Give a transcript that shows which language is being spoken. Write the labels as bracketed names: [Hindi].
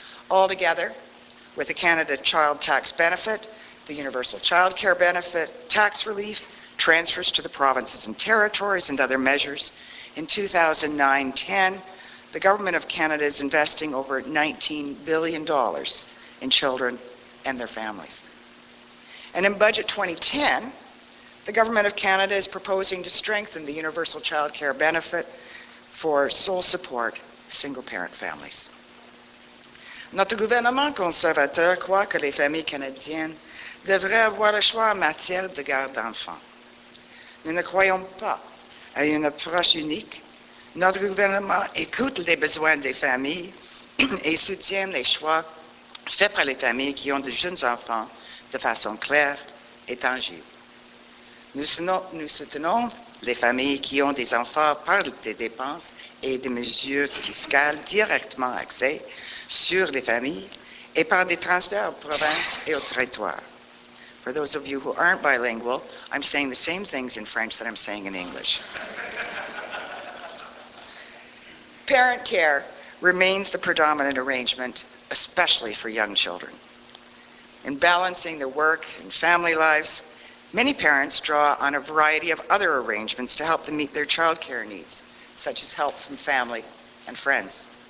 [English] Altogether, with the Canada Child Tax Benefit, the Universal Child Care Benefit, tax relief, transfers to the provinces and territories, and other measures, in 2009-10, the Government of Canada is investing over $19 billion in children and their families. And in Budget 2010, the Government of Canada is proposing to strengthen the Universal Child Care Benefit for sole support single-parent families. [French] Notre gouvernement conservateur croit que les familles canadiennes devraient avoir le choix en matière de garde d'enfants. Nous ne croyons pas à une approche unique. Notre gouvernement écoute les besoins des familles et soutient les choix faits par les familles qui ont de jeunes enfants de façon claire et tangible. Nous soutenons les familles qui ont des enfants par des dépenses et des mesures fiscales directement axées sur les familles et par des transferts aux provinces et aux territoires. [English] For those of you who aren't bilingual, I'm saying the same things in French that I'm saying in English. Parent care remains the predominant arrangement, especially for young children. In balancing their work and family lives, many parents draw on a variety of other arrangements to help them meet their child care needs, such as help from family and friends.